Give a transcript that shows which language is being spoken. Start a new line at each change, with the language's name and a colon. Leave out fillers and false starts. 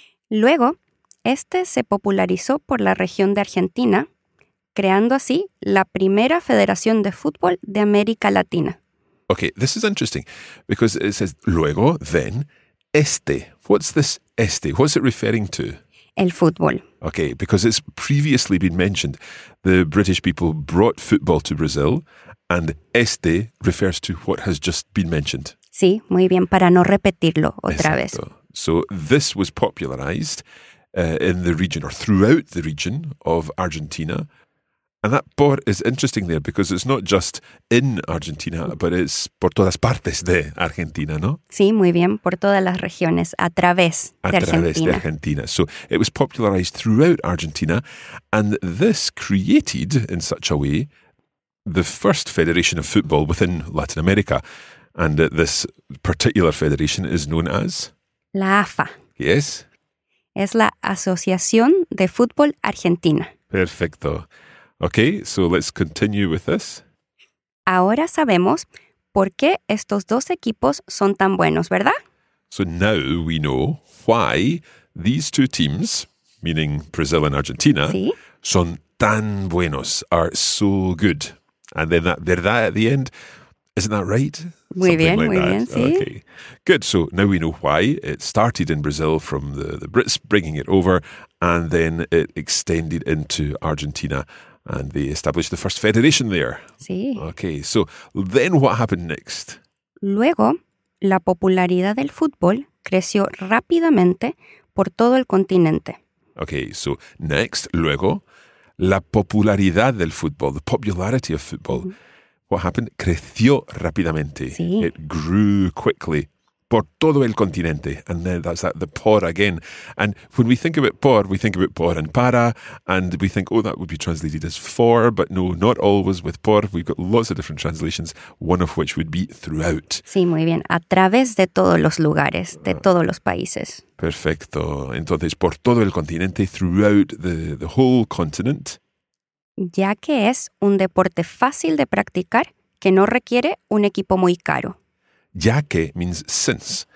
Spanish: Luego, este se popularizó por la región de Argentina, creando así la primera federación de fútbol de América Latina.
English: Okay, this is interesting because it says luego, then, este. What's this este? What's it referring to?
Spanish: El fútbol.
English: Okay, because it's previously been mentioned. The British people brought football to Brazil. And este refers to what has just been mentioned.
Spanish: Sí, muy bien, para no repetirlo otra vez.
English: So this was popularized in the region or throughout the region of Argentina. And that por is interesting there because it's not just in Argentina, but it's
Spanish: por todas partes de Argentina, ¿no? Sí, muy bien, por todas las regiones, a través de Argentina.
English: A través de Argentina. So it was popularized throughout Argentina. And this created, in such a way, the first federation of football within Latin America. And this particular federation is known as?
Spanish: La AFA.
English: Yes?
Spanish: Es la Asociación de Fútbol Argentina.
English: Perfecto. Okay, so let's continue with this.
Spanish: Ahora sabemos por qué estos dos equipos son tan buenos, ¿verdad?
English: So now we know why these two teams, meaning Brazil and Argentina,
Spanish: ¿sí? son tan buenos,
English: are so good. And then that verdad at the end, isn't that right?
Spanish: Muy
English: Something
Spanish: bien,
English: like
Spanish: muy
English: that.
Spanish: Bien, sí.
English: Okay. Good, so now we know why. It started in Brazil from the Brits bringing it over, and then it extended into Argentina, and they established the first federation there.
Spanish: Sí.
English: Okay, so then what happened next?
Spanish: Luego, la popularidad del fútbol creció rápidamente por todo el continente.
English: Okay, so next, luego,
Spanish: la popularidad del fútbol,
English: the popularity of football, mm-hmm. what happened?
Spanish: Creció rápidamente. Sí.
English: It grew quickly
Spanish: por todo el continente.
English: And then that's the por again. And when we think about por, we think about por and para, and we think, oh, that would be translated as for, but no, not always with por. We've got lots of different translations, one of which would be throughout.
Spanish: Sí, muy bien. A través de todos los lugares, de todos los países. Perfecto. Entonces, por todo el continente,
English: throughout the whole continent.
Spanish: Ya que es un deporte fácil de practicar, que no requiere un equipo muy caro.
English: Ya que means since.